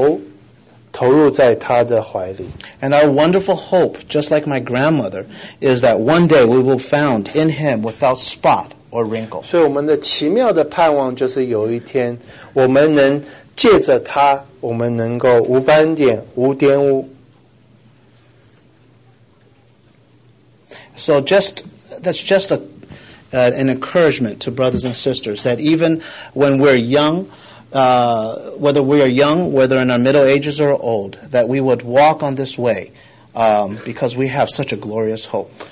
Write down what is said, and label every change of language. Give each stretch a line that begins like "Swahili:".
Chinese: 所以当这个死亡的铁门把向你打开的时候，你应该靠近你的丈夫，你要将你的头投入在他的怀里。
English: And our wonderful hope, just like my grandmother, is that one day we will found in him without spot or wrinkle.
Chinese: 所以我们的奇妙的盼望就是有一天，我们能借着他，我们能够无斑点、无玷污。
English: So just that's just an encouragement to brothers and sisters that even when we're young, whether we are young, whether in our middle ages or old, that we would walk on this way because we have such a glorious hope.